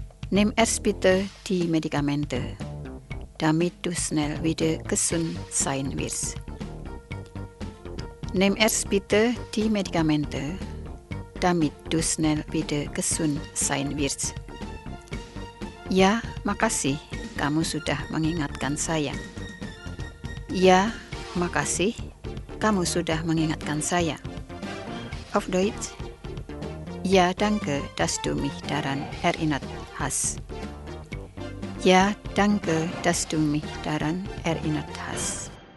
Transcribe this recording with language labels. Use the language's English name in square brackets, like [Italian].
[German] Nimm erst bitte die Medikamente, damit du schnell wieder gesund sein wirst. Nimm erst bitte die Medikamente, damit du schnell wieder gesund sein wirst. [Indonesian] Ja, makasih, kamu sudah mengingatkan saya. Ja, makasih, kamu sudah mengingatkan saya. [German] Auf Deutsch. Ja, danke, dass du mich daran erinnert hast. Ja, danke, dass du mich daran erinnert hast.